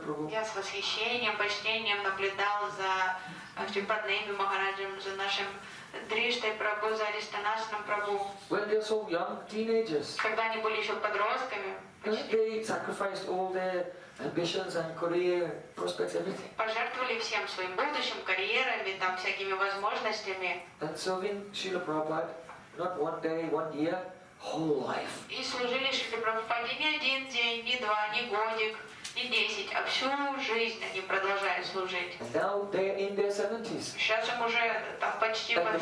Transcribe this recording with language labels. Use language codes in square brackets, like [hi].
[ru] Я с восхищением, почтением наблюдал за Шрипаднейми Махараджем, за нашим Дриштой Прабху, за Аристанасаном Прабху. [en] When they were so young, teenagers. [ru] Когда они были еще подростками. [en] They sacrificed all their ambitions and career prospects, everything. [ru] Пожертвовали всем своим будущим, карьерами, там всякими возможностями. [en] And serving Srila Prabhupada, not one day, one year. Whole life. [ru] И служили Шри Прабхупаде не один день, ни два, ни годик, почти 10, а всю жизнь они продолжают служить. [en] And now they're in their 70s. [ru] Сейчас им уже там почти под